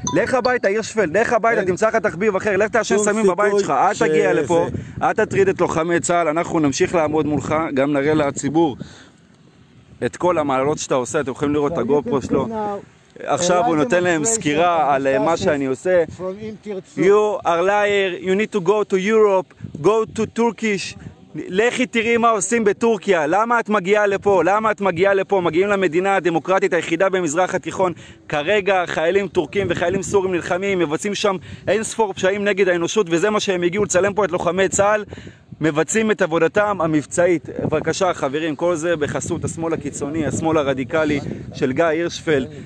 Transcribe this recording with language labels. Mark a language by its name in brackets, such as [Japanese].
[Hebrew] לך הביתה, הירשפלד, לך הביתה, תמצא לך תחביב אחר, לך תעשן סמים בבית שלך, אל תגיע לפה, אל תטריד את לוחמי צה"ל, אנחנו נמשיך לעמוד מולך, גם נראה לציבור את כל המעלות שאתה עושה, אתם יכולים לראות את הגופרו שלו. עכשיו הוא נותן להם סקירה על מה שאני עושה. [English] You are liar, you need to go to Europe, go to Turkish. [Hebrew] לכי תראי מה עושים בטורקיה. למה את מגיעה לפה? מגיעים למדינה הדמוקרטית היחידה במזרח התיכון. כרגע חיילים טורקים וחיילים סורים נלחמים, מבצעים שם אין ספור פשעים נגד האנושות, וזה מה שהם הגיעו לצלם פה את לוחמי צה"ל. מבצעים את עבודתם המבצעית. בבקשה חברים, כל זה בחסות השמאל הקיצוני, השמאל הרדיקלי של גיא הירשפלד.